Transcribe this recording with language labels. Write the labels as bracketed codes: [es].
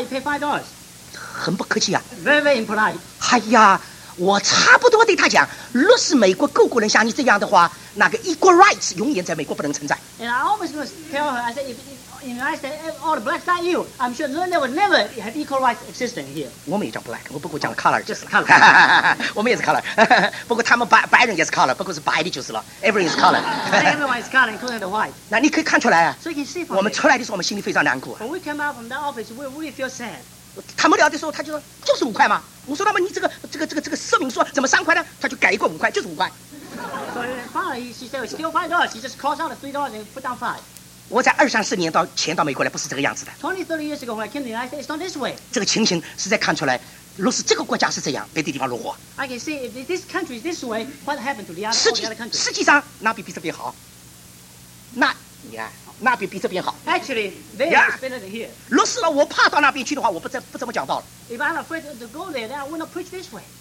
[en] You pay $5." [zh] 很不客气啊。 [en] Very, very impolite. [zh] 哎呀，我差不多对他讲，若是美国各国人像你这样的话。那个 [en] equal rights [zh] 永远在美国不能存在。 [en] And I always going to tell her, I said, if in the United States, all the blacks like you, I'm sure none of them would never have equal rights existing here. [zh] 我们也叫 black, 我不过讲了 color 就是 color. 我们也是 color. 不过他们白人也是 color, 不过是白的就是了。 [en] Everyone is color. Everyone is color, including the white. [zh] 那你可以看出来啊。 [en] So you can see from [zh] 我们出来的时候，我们心里非常难过。 [en] When we come out from that office, we really feel sad. [zh] 谈不了的时候，他就说就是五块嘛。我说那么你这个声明说怎么三块呢？他就改一个五块，就是五块。 [en] So finally, she said, "Still $5." She just crossed out the $3 and put down $5. [zh] 我在20-30年到美国来，不是这个样子的。 [en] 20-30 years ago, when I came to the United States, it's not this way. [zh] 这个情形实在看出来，若是这个国家是这样，别的地方如何 [en] ？I can see if this country is this way, what happened to the other countries? [zh] 实际上，那比这边好。那你看。那边比这边好。 [en] Actually, they are better than here. [zh] 若是了，我怕到那边去的话，我不这么讲道了。 [en] If I'm afraid to go there, then I will not preach this way.